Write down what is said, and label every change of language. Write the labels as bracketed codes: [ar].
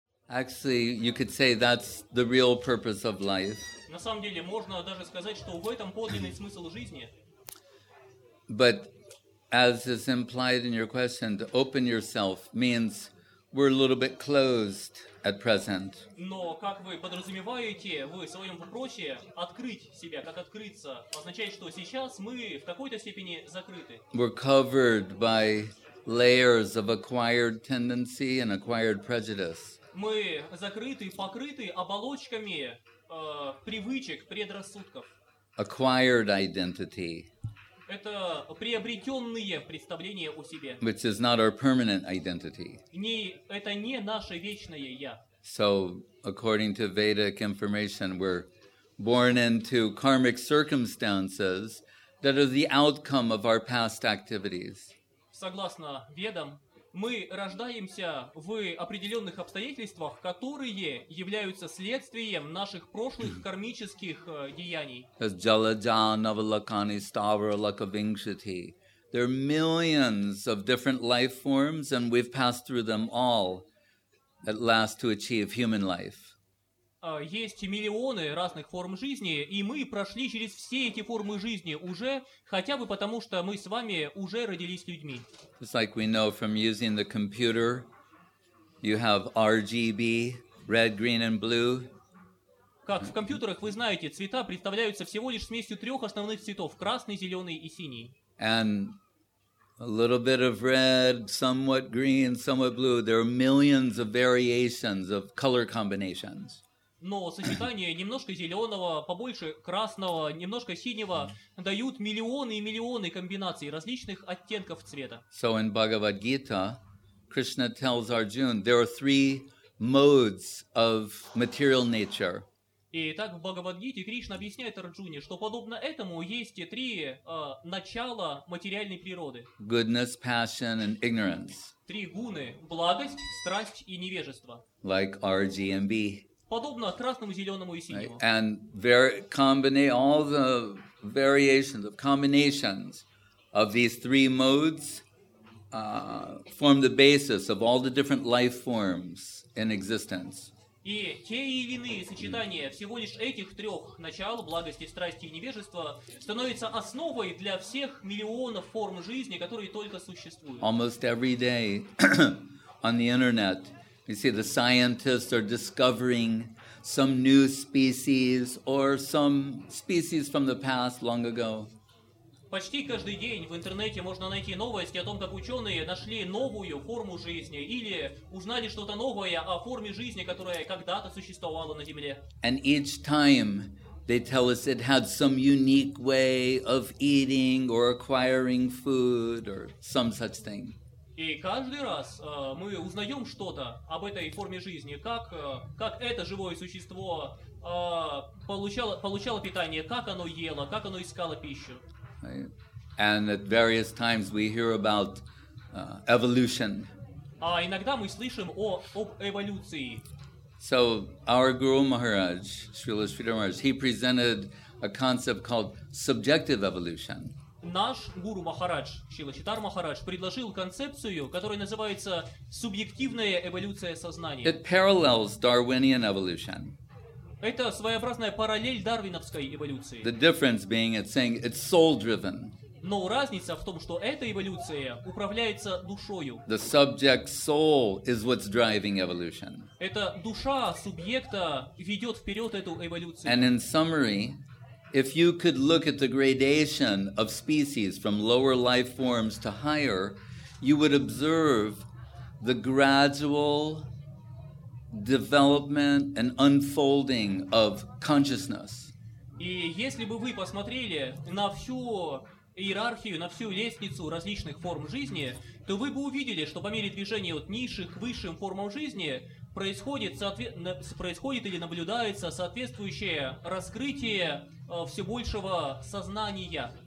[en] Actually, you could say that's the real purpose of life. [ru] На самом деле, можно даже сказать, что в этом подлинный смысл жизни. [en] But as is implied in your question, to open yourself means we're a little bit closed at present. [ru] Но как вы подразумеваете в своем вопросе открыть себя, как открыться, означает, что сейчас мы в какой-то степени закрыты. [en] We're covered by layers of acquired tendency and acquired prejudice. [ru] Мы закрыты, покрыты оболочками привычек, предрассудков. [en] Acquired identity. [ru] Это приобретенные представления о себе. [en] Which is not our permanent identity. [ru] Не, это не наше вечное я. [en] So, according to Vedic information, we're born into karmic circumstances that are the outcome of our past activities. [ru] Согласно Ведам, мы рождаемся в определенных обстоятельствах, которые являются следствием наших прошлых кармических деяний. [sa] As Jalaja, Navalakani, Stavra, Lakavingshati. [en] There are millions of different life forms, and we've passed through them all at last to achieve human life. [ru] Есть миллионы разных форм жизни, и мы прошли через все эти формы жизни уже, хотя бы потому, что мы с вами уже родились людьми. [en] It's like we know from using the computer, you have RGB, red, green, and blue. [ru] Как в компьютерах, вы знаете, цвета представляются всего лишь смесью трех основных цветов – красный, зеленый и синий. [en] And a little bit of red, somewhat green, somewhat blue. There are millions of variations of color combinations. [ru] Но сочетание немножко зеленого, побольше красного, немножко синего дают миллионы и миллионы комбинаций различных оттенков цвета. [en] So in Bhagavad-gita, Krishna tells Arjuna, there are three modes of material nature. [ru] И так в Бхагавад-гите Кришна объясняет Арджуне, что подобно этому есть три начала материальной природы. [en] Goodness, passion and ignorance. [ru] Три гуны – благость, страсть и невежество. [en] Like RGB. [ru] Подобно красному, зеленому и синему. [en] And all the variations of combinations of these three modes form the basis of all the different life forms in existence. [ru] И те или иные сочетания всего лишь этих трех начал, благости, страсти и невежества, становятся основой для всех миллионов форм жизни, которые только существуют. [en] Almost every day on the internet, you see the scientists are discovering some new species or some species from the past long ago. [ru] Почти каждый день в интернете можно найти новости о том, как ученые нашли новую форму жизни или узнали что-то новое о форме жизни, которая когда-то существовала на Земле. [en] And each time they tell us it had some unique way of eating or acquiring food or some such thing. [ru] И каждый раз мы узнаем что-то об этой форме жизни, как это живое существо получало питание, как оно ело, как оно искало пищу. [en] And at various times we hear about evolution. [ru] А иногда мы слышим об эволюции. [en] So our Guru Maharaj, Srila Sridhar Maharaj, he presented a concept called subjective evolution. [ru] Наш гуру Махарадж, Шрила Читар Махарадж, предложил концепцию, которая называется субъективная эволюция сознания. [en] It parallels Darwinian evolution. [ru] Это своеобразная параллель дарвиновской эволюции. [en] The difference being it's saying it's soul-driven. [ru] Но разница в том, что эта эволюция управляется душою. [en] The subject soul is what's driving evolution. [ru] Это душа субъекта ведет вперед эту эволюцию. [en] And in summary, if you could look at the gradation of species from lower life forms to higher, you would observe the gradual development and unfolding of consciousness. [ru] И если бы вы посмотрели на всю иерархию, на всю лестницу различных форм жизни, то вы бы увидели, что по мере движения от низших к высшим формам жизни происходит или наблюдается соответствующее раскрытие все большего сознания.